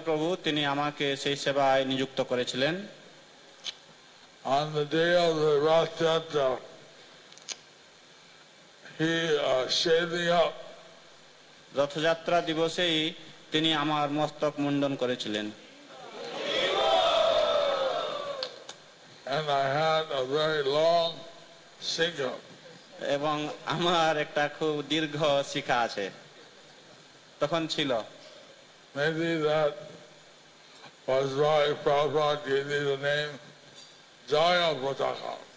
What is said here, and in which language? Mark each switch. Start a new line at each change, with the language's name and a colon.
Bangla: প্রভু তিনি আমাকে সেই সেবায় নিযুক্ত করেছিলেন।
English: On the day of the Rath Yatra, he shaved me up.
Bangla: Rathyatra দিবসেই তিনি আমার মস্তক মুন্ডন করেছিলেন।
English: And I had a very long shikha.
Bangla: এবং আমার একটা খুব দীর্ঘ শিখা আছে তখন ছিল।
English: Maybe that was why Prabhupada gave me the name Jaya Pataka.